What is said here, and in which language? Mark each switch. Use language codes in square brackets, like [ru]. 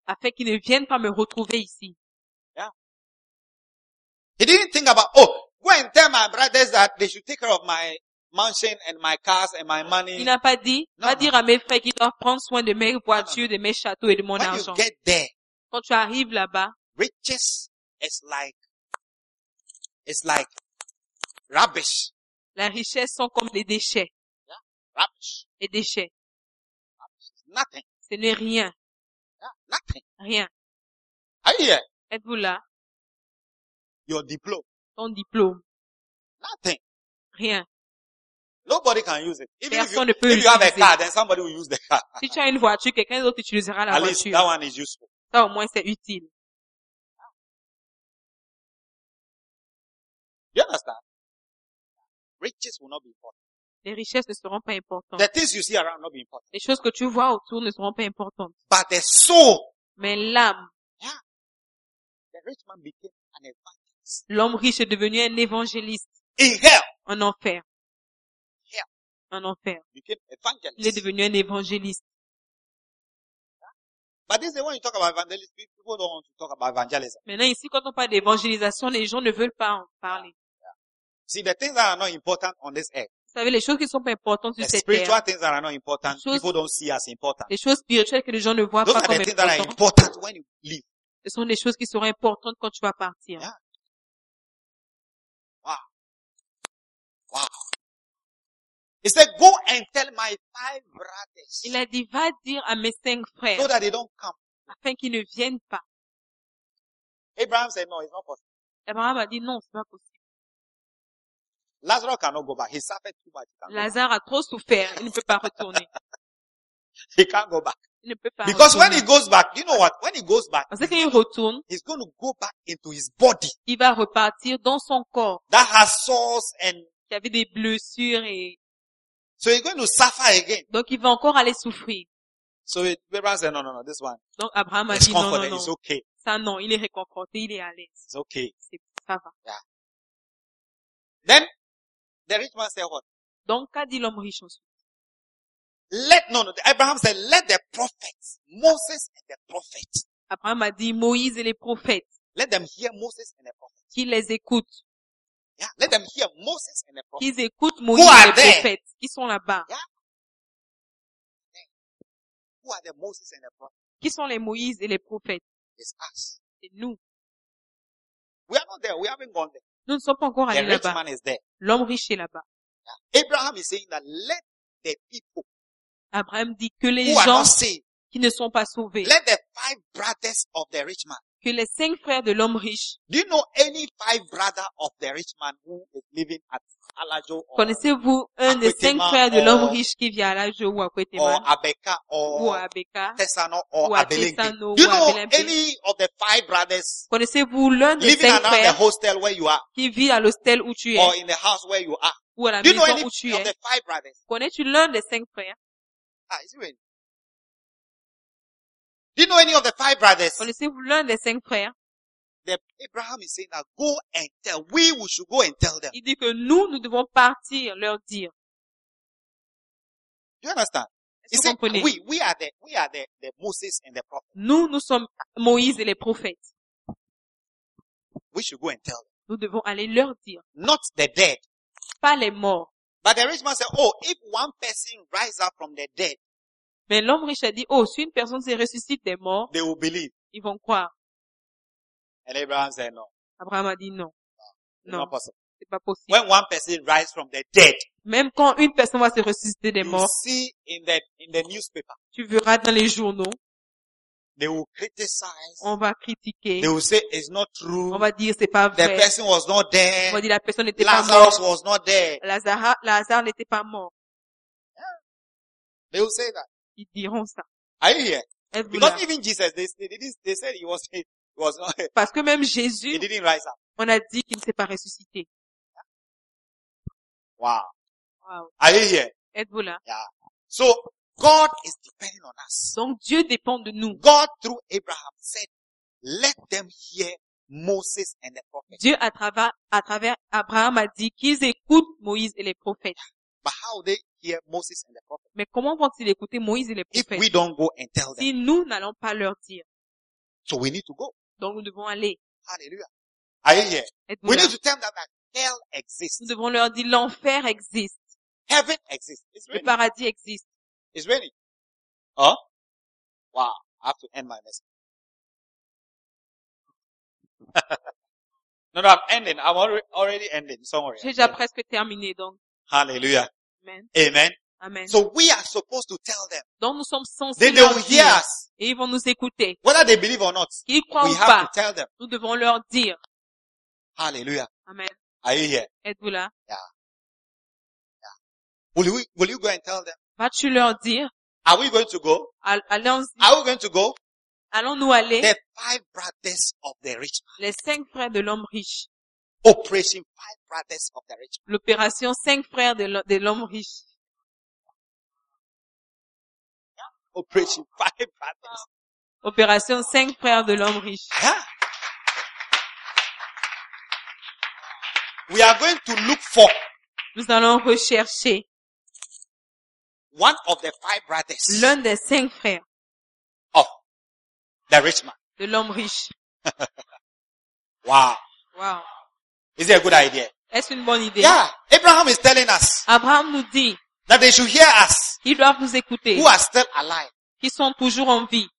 [fr] Afin qu'ils ne viennent pas me retrouver ici. [en] Yeah. He didn't think about, oh, go and tell my brothers that they should take care of my mansion and my cars and my money. [fr] Il n'a pas dit, va dire à mes frères qu'ils doivent prendre soin de mes voitures, de mes châteaux et de mon argent. [en] When you get there, [fr] quand tu arrives là-bas, [en] riches is like, it's like rubbish. [fr] La richesse sont comme les déchets. [en] Yeah, rubbish. [fr] Les déchets. [en] Rubbish is nothing. [fr] Ce n'est rien. [en] Yeah, nothing. [fr] Rien. [en] Are you here? [fr] Êtes-vous là? [en] Your diploma. [fr] Ton diplôme. [en] Nothing. [fr] Rien. [en] Nobody can use it. Even [fr] personne [en] if you, if you have a car, then somebody will use the car. [fr] Si tu as une voiture, quelqu'un d'autre utilisera la [en] at least [fr] voiture. [en] That one is useful. [fr] Ça au moins c'est utile. [en] You understand? Riches will not be important. [fr] Les richesses ne seront pas importantes. [en] The things you see around will not be important. [fr] Les choses que tu vois autour ne seront pas importantes. [en] But the soul. [fr] Mais l'âme. [en] Yeah. The rich man became an evangelist. [fr] L'homme riche est devenu un évangéliste. [en] In hell. [fr] En enfer. Un enfer. [en] Became [fr] il est devenu un évangéliste. Maintenant, ici, quand on parle d'évangélisation, les gens ne veulent pas en parler. [en] See, the things that are not important on this earth. [fr] Vous savez, les choses qui ne sont pas importantes sur cette terre. [en] The spiritual things that are not important, people don't see as important. [fr] Les choses spirituelles que les gens ne voient [en] those [fr] pas comme importantes. [en] Those are the things important. That are important when you leave. [fr] Ce sont des choses qui seront importantes quand tu vas partir. [en] Yeah. Wow. Wow. He said, go and tell my five brothers. [fr] Il a dit, va dire à mes cinq frères. [en] So that they don't come. [fr] Afin qu'ils ne viennent pas. [en] Abraham said, no, it's not possible. [fr] Abraham a dit, non, c'est pas possible. [en] Lazarus cannot go back. He suffered too much. [fr] Lazare a trop souffert. Il ne peut pas retourner. [en] He can't go back. [fr] Il ne peut pas [en] because [fr] retourner. [en] When he goes back, you know what? When he goes back, [fr] parce qu'il retourne, [en] he's going to go back into his body. [fr] Il va repartir dans son corps. [en] That has sores and. [fr] Qui avait des blessures et. [en] So he's going to suffer again. [fr] Donc il va encore aller souffrir. [en] So Abraham said, no, this one. [fr] Donc Abraham a dit non. [en] It's okay. [fr] Ça non, il est réconforté, il est à l'aise. [en] It's okay. [fr] C'est ça va. [en] Yeah. Then the rich man said what? [fr] Donc qu'a dit l'homme riche ensuite? [en] Abraham said, let the prophets, Moses and the prophets. [fr] Abraham a dit Moïse et les prophètes. [en] Let them hear Moses and the prophets. [fr] Qui les écoute? [en] Yeah, let them hear Moses and the prophets. [fr] Ils écoutent Moïse et les prophètes. Qui sont là-bas? [en] Yeah. Who are the Moses and the prophets? [fr] Qui sont les Moïse et les prophètes? [en] It's us. [fr] C'est nous. [en] We are not there. We haven't gone there. [fr] Nous ne sommes pas encore allés là-bas. [en] The rich man is there. [fr] L'homme riche est là-bas. [en] Yeah. Abraham is saying that let the people. [fr] Abraham dit que les [en] who [fr] gens [en] are not saved, [fr] qui ne sont pas sauvés. [en] Let the five brothers of the rich man. [fr] Que les cinq frères de l'homme riche. [en] Do you know any five brother of the rich man who is living at Alajo? [fr] Connaissez-vous un des cinq frères de l'homme riche qui vit à Alajo ou à Kweteman? [en] Or Abeka, or [fr] ou à Abeka, [en] Tessano, or [fr] ou à Tessano, [en] do you know any of the five brothers? [fr] Connaissez-vous l'un des [en] living [fr] cinq frères [en] the hostel where you are, [fr] qui vit à l'hostel où tu es? [en] Or in the house where you are? [fr] Ou à la [en] do you know any [fr] où tu [en] of [fr] es? [en] The five brothers? [fr] Connais-tu l'un des cinq frères? [en] Ah, is it really? Do you know any of the five brothers? [fr] Connaissez-vous l'un des cinq frères? [en] The Abraham is saying that go and tell. We should go and tell them. [fr] Il dit que nous devons partir leur dire. [en] Do you understand? [fr] Est-ce [en] he said we are the Moses and the prophets. [fr] Nous sommes Moïse et les prophètes. [en] We should go and tell them. [fr] Nous devons aller leur dire. [en] Not the dead. [fr] Pas les morts. [en] But the rich man said, oh, if one person rises up from the dead. [fr] Mais l'homme riche a dit, oh, si une personne se ressuscite des morts, [en] they will believe. [fr] Ils vont croire. [en] And Abraham said no. [fr] Abraham a dit non. [en] No, it's not possible. [fr] C'est pas possible. [en] When one person rises from the dead, [fr] même quand une personne va se ressusciter des [en] you [fr] morts, [en] see in the newspaper, [fr] tu verras dans les journaux, [en] they will criticize. [fr] On va critiquer. [en] They will say it's not true. [fr] On va dire c'est pas vrai. [en] The person was not there. [fr] On va dire la personne n'était [en] Lazarus [fr] pas mort. [en] Lazarus was not there. [fr] Lazare n'était pas mort. [en] Yeah. They will say that. [fr] Ils diront ça. [en] Are you here? [fr] Êtes-vous [en] because [fr] là? [en] Even Jesus, they said he was not. [fr] Parce que même Jésus, [en] he didn't rise up. [fr] On a dit qu'il ne s'est pas ressuscité. [en] Yeah. Wow. Wow. Are you here? [fr] Êtes-vous là? [en] Yeah. So God is depending on us. [fr] Donc Dieu dépend de nous. [en] God through Abraham said, let them hear Moses and the prophets. [fr] Dieu à travers Abraham a dit qu'ils écoutent Moïse et les prophètes. [en] But how they hear Moses and the prophets? [fr] Mais comment vont-ils écouter Moïse et les prophètes? [en] If we don't go and tell them. [fr] Si nous n'allons pas leur dire. [en] So we need to go. [fr] Donc nous devons aller. [en] Hallelujah. Are you here? [fr] Êtes-vous [en] we [fr] là? [en] Need to tell them that hell exists. [fr] Nous devons leur dire l'enfer existe. [en] Heaven exists. It's raining. [fr] Le paradis existe. [en] It's raining. Oh? Wow. I have to end my message. No, I'm ending. I'm already ending. Don't worry. [fr] J'ai déjà presque terminé, donc. [en] Hallelujah. Amen. Amen. Amen. So we are supposed to tell them. [fr] Donc nous sommes censés. [en] Then they will hear us. [fr] Et ils vont nous écouter. [en] Whether they believe or not. [fr] Qu'ils croient [en] we [fr] ou [en] have [fr] pas, [en] to tell them. [fr] Nous devons leur dire. [en] Hallelujah. Amen. Are you here? [fr] Êtes-vous là? [en] Yeah. Yeah. Will you go and tell them? [fr] Vas-tu leur dire? [en] Are we going to go? [fr] Allons-y. [en] Are we going to go? [fr] Allons-nous aller? [en] The five brothers of the rich man. [fr] Les cinq frères de l'homme riche. [en] Operation five brothers of the rich man. [fr] L'opération cinq frères de l'homme riche. [en] Yeah. Operation five brothers. [fr] Opération cinq frères de l'homme riche. [en] Yeah. We are going to look for. [fr] Nous allons rechercher. [en] One of the five brothers. [fr] L'un des cinq frères. [en] The rich man. [fr] De l'homme riche. [en] Wow. Wow. Is it a good idea? [fr] Est-ce une bonne idée? [en] Yeah. Abraham is telling us. [fr] Abraham nous dit. [en] That they should hear us. [fr] Ils doivent nous écouter. [en] Who are still alive. [fr] Qui sont toujours en vie.